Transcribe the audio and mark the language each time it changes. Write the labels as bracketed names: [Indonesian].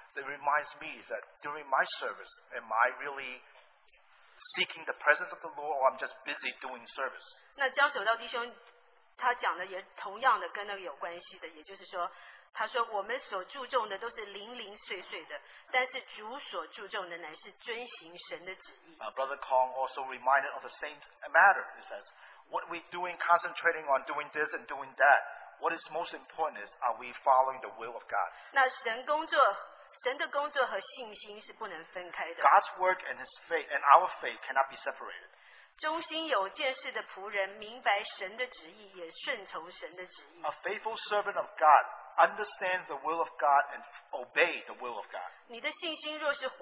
[English] It reminds me that during my service, am I really seeking the presence of the Lord, or I'm just busy doing service? [Chinese] 那江守道弟兄他讲的也同样的跟那个有关系的，也就是说，他说我们所注重的都是零零碎碎的，但是主所注重的乃是遵行神的旨意。 [English] Brother Kong also reminded of the same matter. He says, what are we doing, concentrating on doing this and doing that? What is most important is, are we following the will of God? [Chinese] 那神工作，神的工作和信心是不能分开的。 [English] God's work and His faith and our faith cannot be separated. [Chinese] 忠心有见识的仆人明白神的旨意，也顺从神的旨意。 [English] A faithful servant of God understands the will of God and obey the will of God.